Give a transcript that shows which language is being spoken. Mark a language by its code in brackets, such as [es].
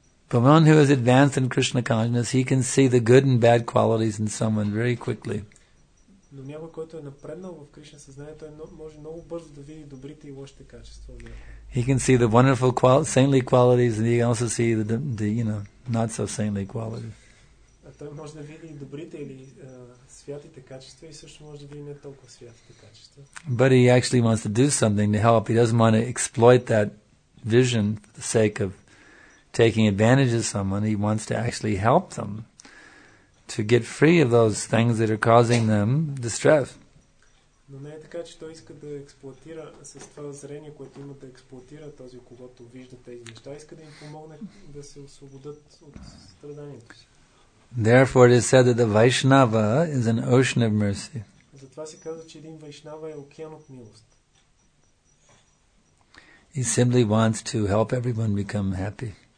[en] But one who is advanced in Krishna consciousness, he can see the good and bad qualities in someone very quickly. [bg] Но някой, който е напреднал в Кришна съзнание, той може много бързо да види добрите и лошите качества. [en] He can see the wonderful saintly qualities and he can also see the you know, not so saintly qualities. [bg] А той може да види и добрите или святите качества и също може да види не толкова святите качества. [en] But he actually wants to do something to help. He doesn't want to exploit that vision for the sake of taking advantage of someone. He wants to actually help them. To get free of those things that are causing them distress. [bg] Но не е така, че той иска да експлоатира с това зрение, което има да експлоатира този, когато вижда тези неща, иска да им помогне да се освободят от страданието си. [en] Therefore it is said that the Vaishnava is an ocean of mercy. [bg] Затова се казва, че един Вайшнава е океан от милост. [en] He simply wants to help everyone become happy.